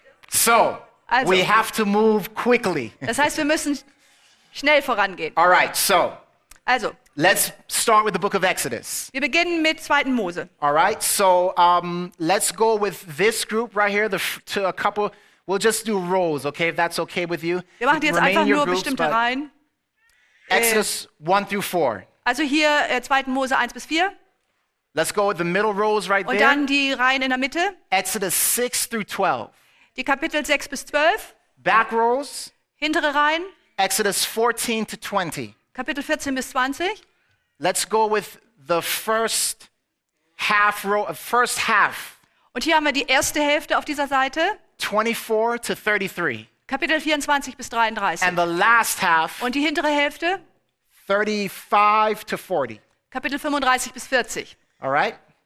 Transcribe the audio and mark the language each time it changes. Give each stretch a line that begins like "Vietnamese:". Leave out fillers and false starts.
English: So, also, we have to move quickly.
German: Das heißt, wir müssen schnell vorangehen.
English: All right, so.
German: Also,
English: let's start with the book of Exodus.
German: Wir beginnen mit 2. Mose.
English: All right, so let's go with this group right here. To a couple, we'll just do rows, okay? If that's okay with you.
German: Wir machen jetzt einfach nur groups, bestimmte Reihen.
English: Exodus 1 through 4.
German: Also hier 2. Mose 1 bis 4.
English: Let's go with the middle rows right
German: und
English: there.
German: Und dann die Reihen in der Mitte.
English: Exodus 6 through 12.
German: Die Kapitel 6 bis 12.
English: Back rows.
German: Hintere Reihen.
English: Exodus 14 to 20.
German: Kapitel 14 bis 20.
English: Let's go with the first half row, first half.
German: Und hier haben wir die erste Hälfte auf dieser Seite.
English: 24 to 33.
German: Kapitel 24 bis 33.
English: And the last half.
German: Und die hintere Hälfte.
English: 35 to 40.
German: Kapitel 35 bis 40.
English: All right.